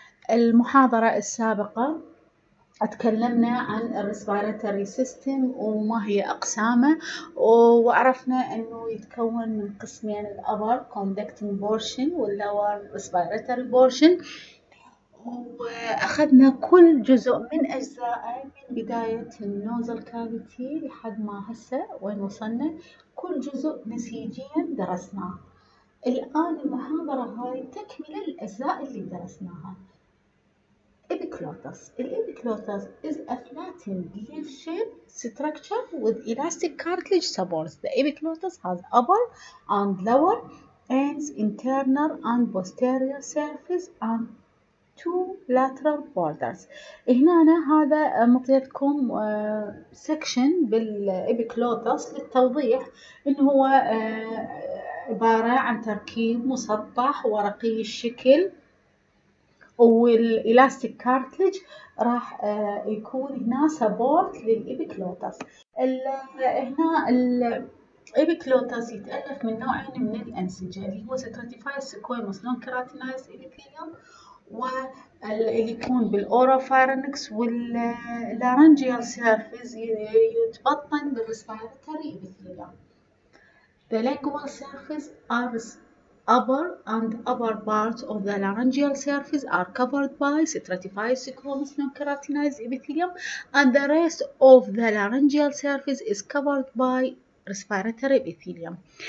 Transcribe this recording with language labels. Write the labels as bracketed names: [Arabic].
[Arabic] المحاضرة السابقة اتكلمنا عن الريسبيراتوري سيستم وما هي اقسامه، وعرفنا انه يتكون من قسمين، الابر كوندكتنج بورشن واللور ريسبيراتوري بورشن، واخذنا كل جزء من اجزائه من بدايه النوزل كافيتي لحد ما هسه وين وصلنا. كل جزء نسيجيا درسناه. الان المحاضره هاي تكمل الاجزاء اللي درسناها. [English] Epiglottis. The epiglottis is a flattened V-shaped structure with elastic cartilage supports. The epiglottis has upper and lower ends, internal and posterior surface, and two lateral borders. [Arabic] هنا أنا هذا مطيتكم [English] section [Arabic] بالepiglottis للتوضيح إنه هو عبارة عن تركيب مسطح ورقي الشكل. والإلاستيك كارتليج راح يكون هنا سبورت للإبيكلوتس. هنا الإبيكلوتس يتألف من نوعين من الأنسجة، اللي هو [English] stratified squamous non keratinized epithelium, [Arabic] واللي يكون بالأوروفارينكس واللارنجيال سيرفيس يتبطن بالريسبيراتوري إبيكليوم. [English] The lingual surfaces are upper and upper parts of the laryngeal surface are covered by stratified squamous non-keratinized epithelium and the rest of the laryngeal surface is covered by respiratory epithelium.